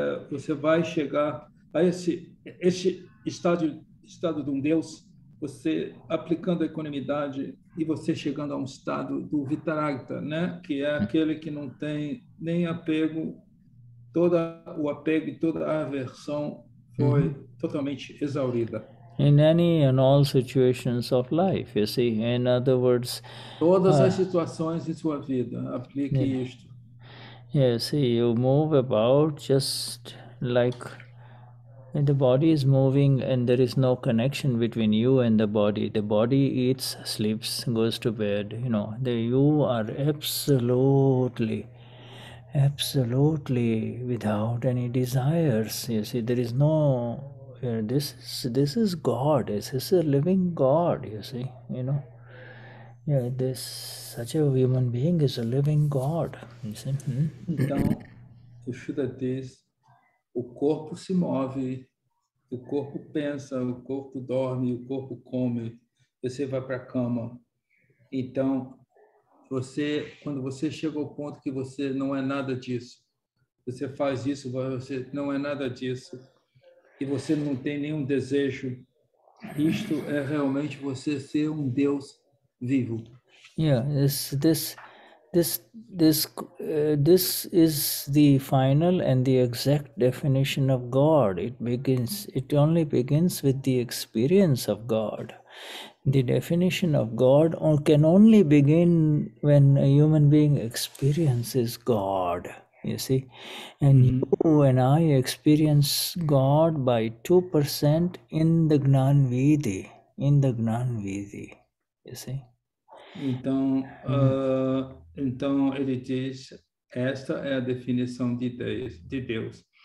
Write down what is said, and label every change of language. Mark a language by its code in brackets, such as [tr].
[pt] você vai chegar a esse estado de um deus, você aplicando a equanimidade e você chegando a um estado do Vitaragta, né? Que é aquele que não tem nem apego, todo o apego e toda a aversão foi totalmente exaurida. [en] In any and all situations of life, you see. In other words, [pt] todas as situações em sua vida, aplique isto. [en] Yeah, see, you move about just like the body is moving and there is no connection between you and the body. The body eats, sleeps, goes to bed, you know. You are absolutely, absolutely without any desires, you see. There is no... This is God. This is a living God, you see, you know. Yeah, this such a human being is a living God, you see. [pt] Então, o Shuddha diz, o corpo se move, o corpo pensa, o corpo dorme, o corpo come, você vai para a cama. Então, você, quando você chega ao ponto que você não é nada disso, você faz isso, você não é nada disso, e você não tem nenhum desejo, isto é realmente você ser um Deus vivo. [en] Yeah, this is the final and the exact definition of God. It only begins with the experience of God. The definition of God can only begin when a human being experiences God. You see, and you and I experience God by 2% in the Gnanvidhi, you see. [pt] Então, então ele diz, esta é a definição de Deus.